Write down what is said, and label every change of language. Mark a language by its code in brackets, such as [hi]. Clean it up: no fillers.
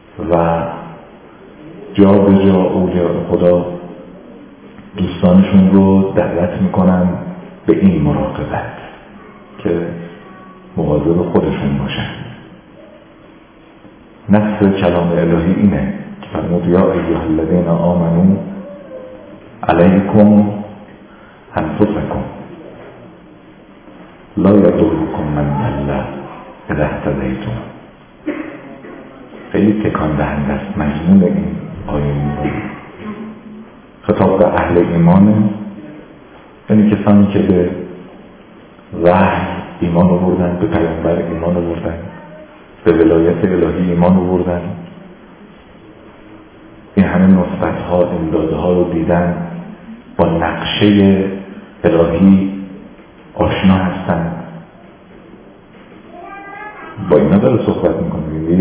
[fa] و جا به جا اولیاء خدا دوستانشون رو دعوت میکنن به این مراقبت که مواظب خودشون باشن. نفس کلام الهی اینه که فرمود [ar] یا ایها الذین آمنوا علیکم انفسکم، لا یدرکم من الله اذا اهتدیتم. [fa] خیلی تکان دهنده است مضمون این آیه. خطاب به اهل ایمانه، یعنی کسانی که به وحی ایمان آوردن، به پیامبر ایمان آوردن، به ولایت الهی ایمان آوردن، این همه نسبت ها امدادها رو دیدن، با نقشه الهی آشنا هستن، با اینا داره صحبت میکنیم.